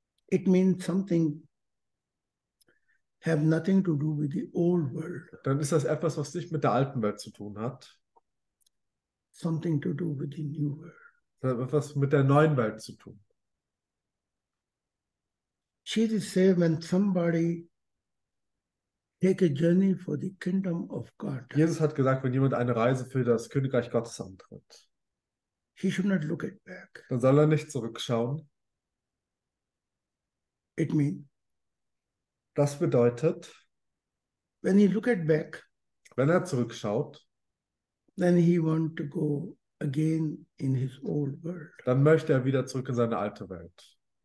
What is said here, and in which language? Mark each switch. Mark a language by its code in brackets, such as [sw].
[en] it means something have nothing to do with the old world. [de] Dann ist das etwas, was nicht mit der alten Welt zu tun hat. [en] Something to do with the new world. [de] Das hat etwas mit der neuen Welt zu tun. [en] Jesus said, when somebody take a journey for the kingdom of God. [de] Jesus hat gesagt, wenn jemand eine Reise für das Königreich Gottes antritt, [en] he should not look it back. [de] Dann soll er nicht zurückschauen. [en] It mean, [de] das bedeutet, [en] when he look it back, [de] wenn er zurückschaut, [en] then he want to go again in his old world. [de] Dann möchte er wieder zurück in seine alte Welt.